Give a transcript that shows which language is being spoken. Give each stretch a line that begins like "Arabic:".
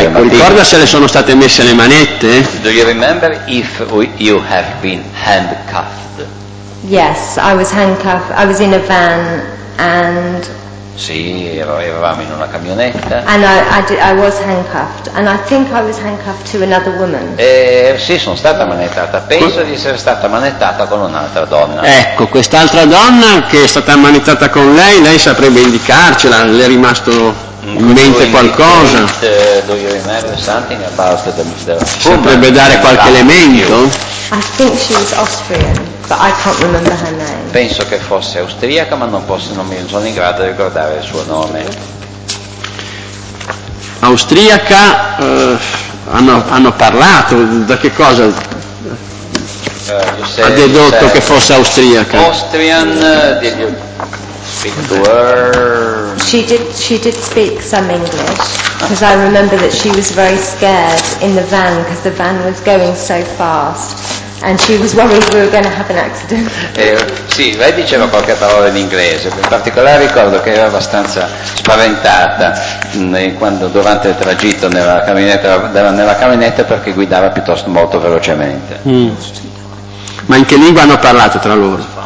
Italian: Ricorda se le sono state messe le manette?
English: Do you remember if you have been handcuffed? Yes, I was handcuffed. I was in a van and.
Italian: Sì, eravamo in una camionetta.
English: And I was handcuffed, and I think I was handcuffed to another woman.
Italian: Sì, sono stata manettata. Penso di essere stata manettata con un'altra donna. Ecco, quest'altra donna che è stata manettata con lei, lei saprebbe indicarcela? Le è rimasto in mente qualcosa?
English: Do you remember something about the mister?
Italian: Saprebbe dare qualche elemento?
English: I think she was Austrian, but I can't remember her name.
Italian: Penso che fosse austriaca, ma non sono in grado di ricordare il suo nome. Austriaca, hanno parlato, da che cosa ha dedotto che fosse austriaca?
English: Austrian, did you speak to her? She did speak some English, because I remember that she was very scared in the van, because the van was going so fast. And she was worried we were going to have an accident.
Italian: Sì, lei diceva qualche parola in inglese. In particolare ricordo che era abbastanza spaventata durante il tragitto nella camionetta perché guidava piuttosto molto velocemente. Mm. Ma in che lingua hanno parlato tra loro?